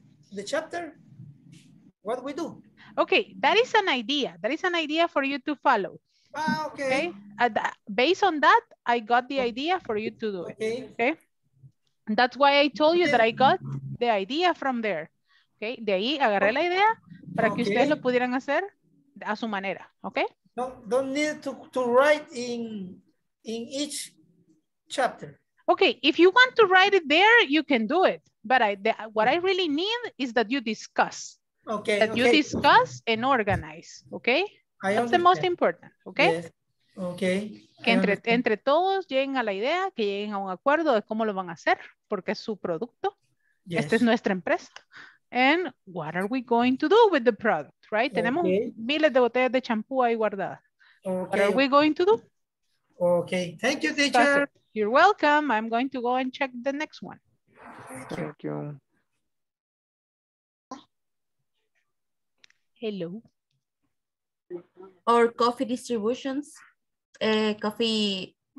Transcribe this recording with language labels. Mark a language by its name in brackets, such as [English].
[English] In the chapter, what we do? Okay, that is an idea. That is an idea for you to follow. Okay. Based on that, I got the idea for you to do it. Okay. That's why I told you that I got the idea from there. Okay. [Spanish] De ahí agarré la idea para que ustedes lo pudieran hacer a su manera. [English] Okay. No, don't need to write in each chapter. Okay. If you want to write it there, you can do it. But what I really need is that you discuss. Okay. You discuss and organize. Okay. That's the most important, okay? Yes. Okay. [Spanish] Que entre todos lleguen a la idea, que lleguen a un acuerdo de cómo lo van a hacer, porque es su producto. Yes. Esta es nuestra empresa. [English] And what are we going to do with the product, right? Okay. [Spanish] Tenemos miles de botellas de champú ahí guardadas. [English] Okay. What are we going to do? Okay. Thank you, teacher. You're welcome. I'm going to go and check the next one. Thank you. Hello. Or coffee distributions, coffee.